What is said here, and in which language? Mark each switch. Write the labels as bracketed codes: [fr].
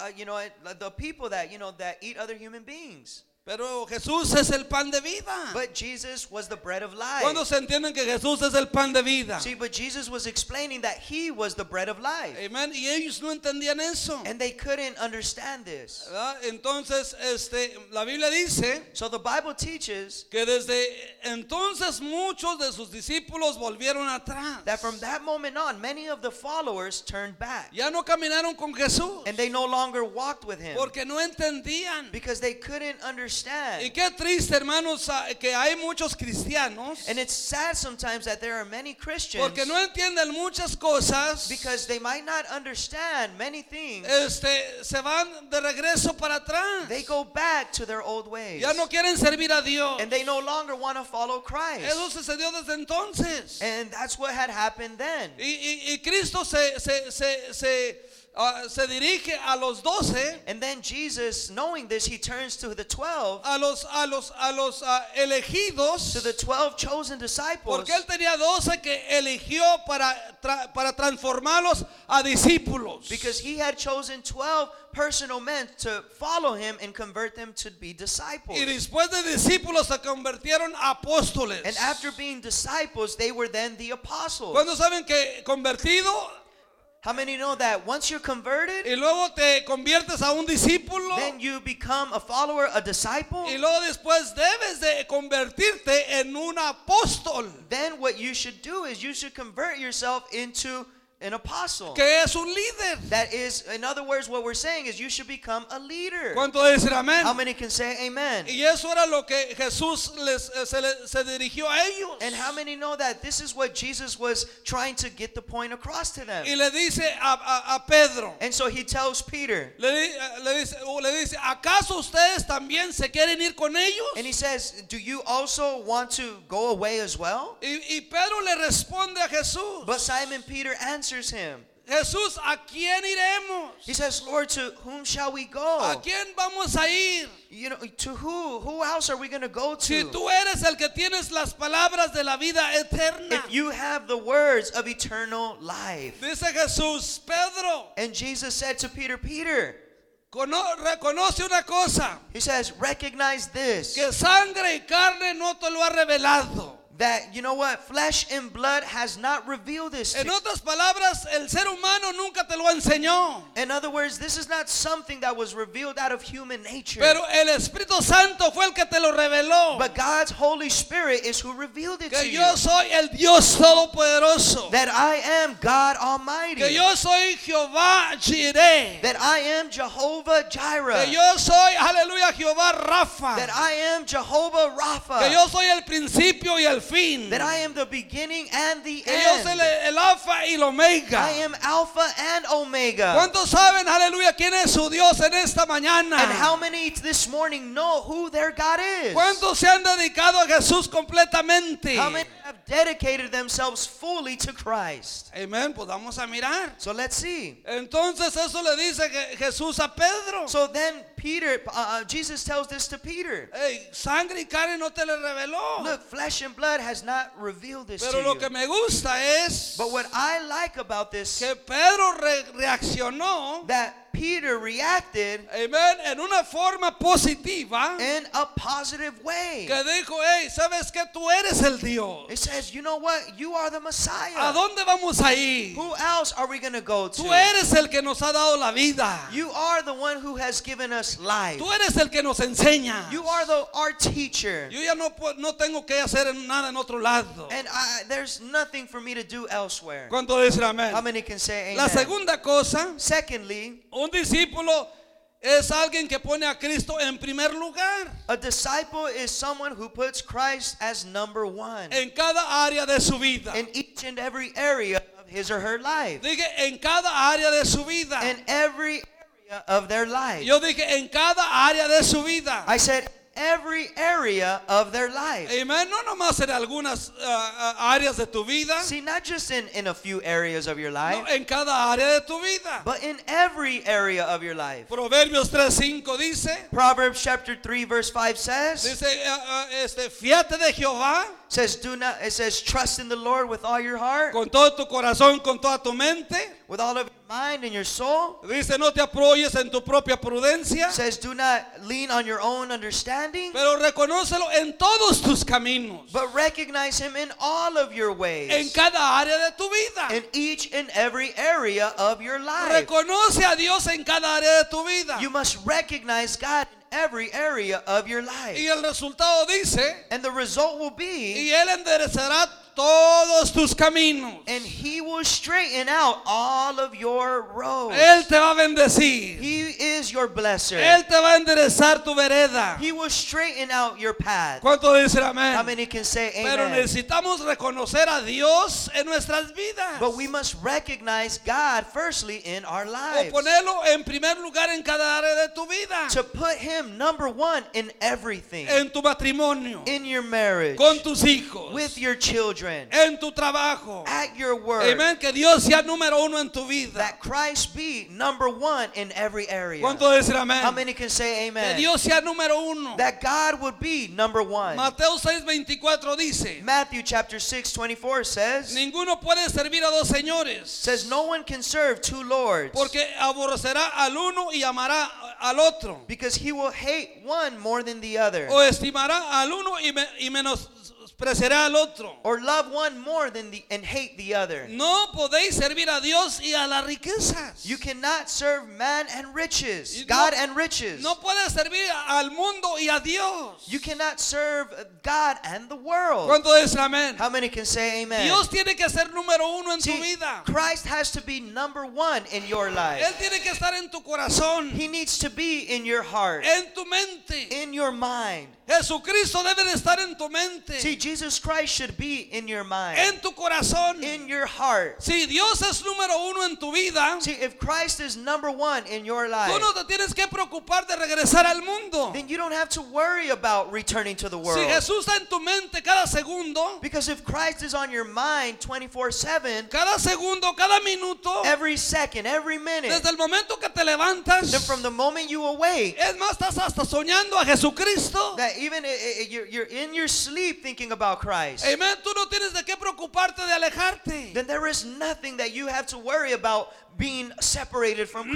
[en] You know, the people that eat other human beings. [es] Pero Jesús es el pan de vida. [en] But Jesus was the bread of life. [es] ¿Cuándo se entienden que Jesús es el pan de vida? [en] See, but Jesus was explaining that he was the bread of life. [es] Amen. Y ellos no entendían eso. [en] And they couldn't understand this. [es] Entonces, la Biblia dice, [en] so the Bible teaches, [es] que desde entonces muchos de sus discípulos volvieron atrás. [en] That from that moment on, many of the followers turned back. [es] Ya no caminaron con Jesús. [en] And they no longer walked with him. [es] Porque no entendían. [en] Because they couldn't understand. [es] Y qué triste, hermanos, que hay muchos cristianos. [en] And it's sad sometimes that there are many Christians. [es] Porque no entienden muchas cosas. [en] Because they might not understand many things. [es] Se van de regreso para atrás. [en] They go back to their old ways. [es] Ya no quieren servir a Dios. [en] And they no longer want to follow Christ. [es] Eso sucedió desde entonces. [en] And that's what had happened then. [es] Y Cristo se dirige a los 12. [en] And then Jesus, knowing this, he turns to the 12. [es] A los elegidos. [en] To the 12 chosen disciples. [es] Porque él tenía 12 que eligió para transformarlos a discípulos. [en] Because he had chosen 12 personal men to follow him and convert them to be disciples. [es] Y después de discípulos se convirtieron apóstoles. [en] And after being disciples, they were then the apostles. [es] ¿Cuándo saben que convertido? [en] How many know that once you're converted, [es] y luego te conviertes a un discípulo, [en] then you become a follower, a disciple? [es] Y luego después debes de convertirte en un apóstol. [en] Then what you should do is you should convert yourself into an apostle. [es] Que es un líder. [en] That is, in other words, what we're saying is you should become a leader. [es] ¿Cuánto dicen amén? [en] How many can say amen? [es] Y eso era lo que Jesús se dirigió a ellos. [en] And how many know that this is what Jesus was trying to get the point across to them? [es] Y le dice a Pedro. [en] And so he tells Peter. [es] Le dice, ¿acaso ustedes también se quieren ir con ellos? [en] And he says, do you also want to go away as well? [es] Y Pedro le responde a Jesús. [en] But Simon Peter answers him. [es] Jesús, ¿a quién iremos? [en] He says, Lord, to whom shall we go? [es] ¿A quién vamos a ir? [en] You know, to who? Who else are we going to go to? [es] Si tú eres el que tienes las palabras de la vida eterna. [en] If you have the words of eternal life. [es] Dice Jesús, Pedro. [en] And Jesus said to Peter, [es] reconoce una cosa. [en] He says, recognize this. [es] Que sangre y carne no te lo ha revelado. [en] That, you know what, flesh and blood has not revealed this to you. [es] En otras palabras, el ser humano nunca te lo enseñó. [en] In other words, this is not something that was revealed out of human nature. [es] Pero el Espíritu Santo fue el que te lo reveló. [en] But God's Holy Spirit is who revealed it [es] que [en] to [es] yo [en] you. [es] Que yo soy el Dios Todopoderoso. [en] That I am God Almighty. [es] Que yo soy Jehová Jireh. [en] That I am Jehovah Jireh. [es] Que yo soy, aleluya, Jehová Rapha. [en] That I am Jehovah Rapha. [es] Que yo soy el principio y el fin. [en] That I am the beginning and the [es] que [en] end. [es] Yo soy el Alpha y el Omega. [en] I am Alpha and Omega. [es] ¿Cuántos saben, aleluya, quién es su Dios en esta mañana? [en] And how many this morning know who their God is? [es] ¿Cuántos se han dedicado a Jesús completamente? [en] How many have dedicated themselves fully to Christ? [es] Amen. Pues vamos a mirar. [en] So let's see. [es] Entonces eso le dice Jesús a Pedro. [en] So then Peter, Jesus tells this to Peter. [es] Hey, sangre y carne no te le reveló. [en] Look, flesh and blood has not revealed this [es] pero [en] to [es] lo [en] you. [es] Que me gusta es [en] but what I like about this [es] que Pedro reaccionó [en] that Peter reacted, [es] amen, en una forma positiva, [en] in a positive way. [es] Que dijo, hey, ¿sabes qué? Tú eres el Dios. [en] It says, you know what? You are the Messiah. [es] ¿A dónde vamos a ir? [en] Who else are we going to go to? [es] Tú eres el que nos ha dado la vida. [en] You are the one who has given us life. [es] Tú eres el que nos enseña. [en] You are the, our teacher. [es] Yo ya no tengo que hacer nada en otro lado. [en] And I, there's nothing for me to do elsewhere. [es] ¿Cuánto dicen amén? [en] How many can say amen? [es] La segunda cosa, [en] secondly, [es] un discípulo es alguien que pone a Cristo en primer lugar. [en] A disciple is someone who puts Christ as number one. [es] En cada área de su vida. [en] In each and every area of his or her life. [es] Dije, en cada área de su vida. [en] In every area of their life. [es] Yo dije, en cada área de su vida. [en] I said, every area of their life. [es] Amen. No nomás en algunas áreas de tu vida. [en] See, not just in a few areas of your life. [es] No, en cada área de tu vida. [en] But in every area of your life. [es] Proverbios 3:5 dice. [en] Proverbs chapter 3 verse 5 says. [es] Dice, fíate de Jehová. [en] Says, do not. It says, trust in the Lord with all your heart. [es] Con todo tu corazón, con toda tu mente. [en] With all of your mind and your soul. [es] Dice, no te apoyes en tu propia prudencia. [en] Says, do not lean on your own understanding. [es] Pero reconócelo en todos tus caminos. [en] But recognize him in all of your ways. [es] En cada área de tu vida. [en] In each and every area of your life. [es] Reconoce a Dios en cada área de tu vida. [en] You must recognize God in every area of your life. [es] Y el resultado dice. [en] And the result will be. [es] Y él enderezará todos tus caminos. [en] And he will straighten out all of your roads. [es] Él te va a bendecir. [en] He is your blesser. [es] Él te va a enderezar tu vereda. [en] He will straighten out your path. [es] ¿Cuánto dice amén? [en] How many can say amen? [es] Pero necesitamos reconocer a Dios en nuestras vidas. [en] But we must recognize God firstly in our lives. [es] O ponerlo en primer lugar en cada área de tu vida. [en] To put him number one in everything. [es] En tu matrimonio. [en] In your marriage. [es] Con tus hijos. [en] With your children. [es] En tu trabajo. [en] At your work. [es] Amen. Que Dios sea número uno en tu vida. [en] That Christ be number one in every area. [es] ¿Cuánto decir amén? [en] How many can say amen? [es] Que Dios sea número uno. [en] That God would be number one. [es] Mateo 6:24 dice. [en] Matthew chapter 6:24 says. [es] Ninguno puede servir a dos señores. [en] Says no one can serve two lords. [es] Porque aborrecerá al uno y amará al otro. [en] Because he will hate one more than the other. [es] O estimará al uno y menos. [en] Or love one more than the and hate the other. [es] No podéis servir a Dios y a las riquezas. [en] You cannot serve man and riches, God and riches. [es] No puedes servir al mundo y a Dios. [en] You cannot serve God and the world. [es] ¿Cuánto dice amén? [en] How many can say amen? [es] Dios tiene que ser número uno en [en] See, [es] tu vida. [en] Christ has to be number one in your life. [es] Él tiene que estar en tu corazón. [en] He needs to be in your heart. [es] En tu mente. [en] In your mind. [es] Jesucristo debe de estar en tu mente. [en] See, Jesus Christ should be in your mind. [es] En tu corazón. [en] In your heart. [es] Si Dios es número uno en tu vida. [en] See, if Christ is number one in your life. [es] Tú no te tienes que preocupar de regresar al mundo. [en] Then you don't have to worry about returning to the world. [es] Si Jesús está en tu mente cada segundo. [en] Because if Christ is on your mind 24/7. [es] Cada segundo, cada minuto. [en] Every second, every minute. [es] Desde el momento que te levantas. [en] Then from the moment you awake. [es] Es más, estás hasta soñando a Jesucristo. [en] Even you're in your sleep thinking about Christ. [es] Amen. Tú no tienes de qué preocuparte de alejarte. [en] Then there is nothing that you have to worry about being separated from Christ.